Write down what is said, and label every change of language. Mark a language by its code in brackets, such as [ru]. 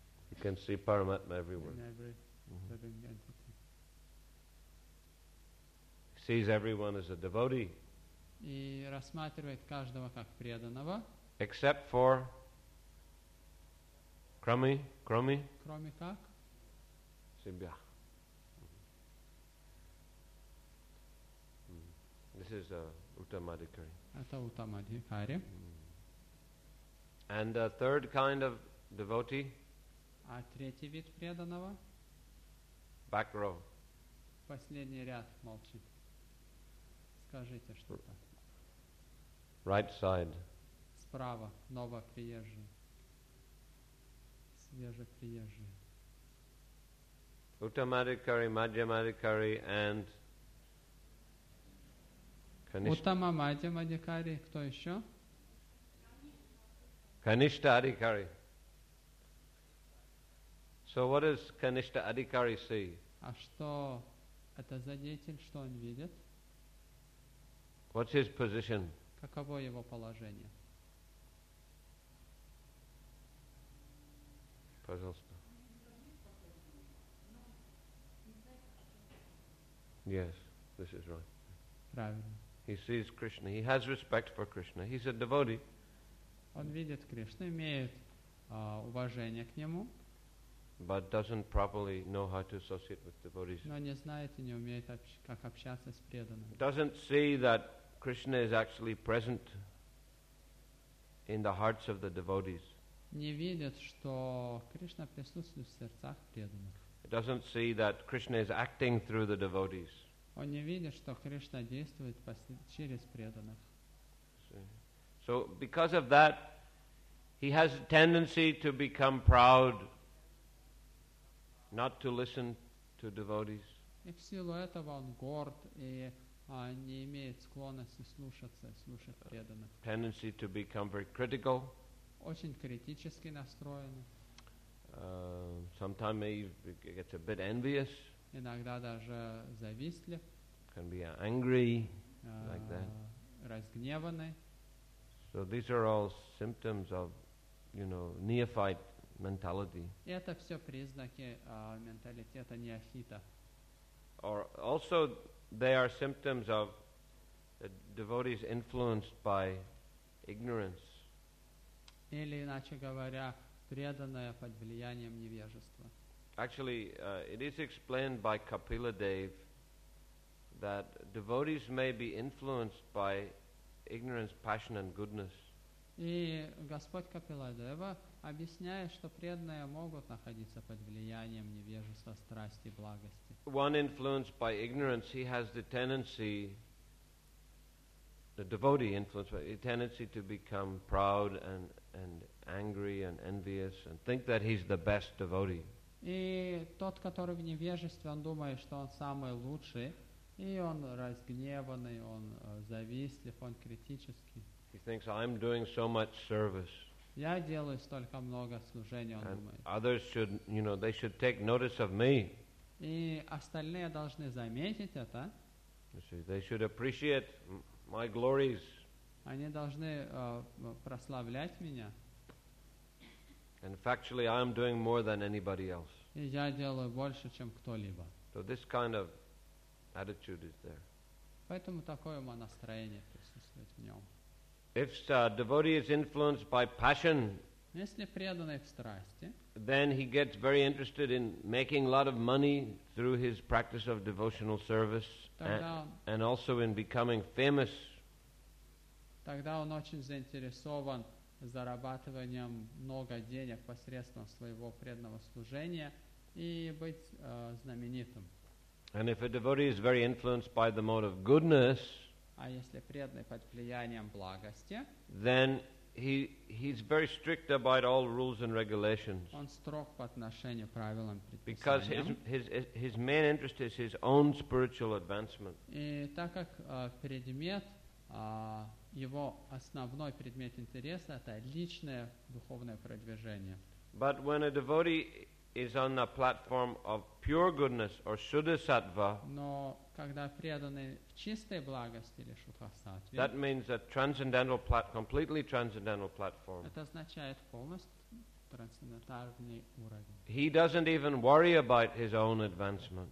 [en] You can see Paramatma everywhere. In every living entity. Sees everyone as a devotee. [ru] И рассматривает каждого как преданного. [en] Except for Krummy. Krummy. [ru] Кроме как? Себя. [en] This is Uttamadhikari. [ru] Это Уттамадхикари. [en] And a third kind of devotee. [ru] А третий вид преданного? [en] Back row. [ru] Последний ряд молчит. Скажите что-то. [en] Right side. [ru] Справа, новоприезжие. Свежеприезжие. Уттамадхикари, Мадхьямадхикари [en] and [ru] Каништа. Уттама Мадхьямадхикари, кто еще? Каништа Адхикари. [en] So what does Kanishta Adhikari see? [ru] А что это за деятель, что он видит? [en] What's his position? [ru] Каково его положение? Пожалуйста. [en] Yes, this is right. [ru] Правильно. [en] He sees Krishna. He has respect for Krishna. He's a devotee. [ru] Он видит Кришну, имеет уважение к нему. [en] But doesn't properly know how to associate with devotees. [ru] Но не знает и не умеет как общаться с преданными. [en] Doesn't see that Krishna is actually present in the hearts of the devotees. [ru] Не видит, что Кришна присутствует в сердцах преданных. [en] Doesn't see that Krishna is acting through the devotees. [ru] Он не видит, что Кришна действует через преданных. [en] So because of that, he has a tendency to become proud. Not to listen to devotees. [ru] И в силу этого он горд и не имеет склонности слушаться и слушать преданных. [en] Tendency to become very critical. [ru] очень критически настроены. [en] Sometimes he gets a bit envious. [ru] Иногда даже завистлив. [en] Can be angry, like that. [ru] Разгневанный. [en] So these are all symptoms of, you know, neophyte mentality. [ru] Это все признаки менталитета неофита. [en] Or also they are symptoms of the devotees influenced by ignorance. [ru] Или иначе говоря, преданное под влиянием невежества. [en] Actually, it is explained by Kapila Dev that devotees may be influenced by ignorance, passion, and goodness. [ru] И Господь Капиладева объясняет, что преданные могут находиться под влиянием невежества, страсти, благости. [en] One influenced by ignorance, he has the tendency, the devotee influenced by, the tendency to become proud and angry and envious and think that he's the best devotee. [ru] И тот, который в невежестве, он думает, что он самый лучший, и он разгневанный, он завистлив, он критический. [en] He thinks I'm doing so much service. [ru] Я делаю столько много служения, он думает. [en] Others should, you know, they should take notice of me. [ru] И остальные должны заметить это. [en] You see, they should appreciate my glories. [ru] Они должны прославлять меня. [en] And factually, I'm doing more than anybody else. [ru] И я делаю больше, чем кто-либо. [en] So this kind of attitude is there. [ru] Поэтому такое мое настроение присутствует в нем. [en] If a devotee is influenced by passion, [ru] если преданный в страсти, [en] then he gets very interested in making a lot of money through his practice of devotional service and also in becoming famous. [ru] Тогда он очень заинтересован зарабатыванием много денег посредством своего преданного служения и быть знаменитым. [en] And if a devotee is very influenced by the mode of goodness, [ru] а если преданный под влиянием благости, [en] then he's very strict about all rules and regulations. [ru] Он строг по отношению к правилам и предписаниям. [en] Because his main interest is his own spiritual advancement. [ru] И так как предмет, его основной предмет интереса – это личное духовное продвижение. [en] But when a devotee is on the platform of pure goodness or shuddha-sattva, [ru] но когда преданный в чистой благости или шуддха-саттве, [en] that means a transcendental completely transcendental platform. [ru] Это означает полностью трансцендентальный уровень. [en] He doesn't even worry about his own advancement.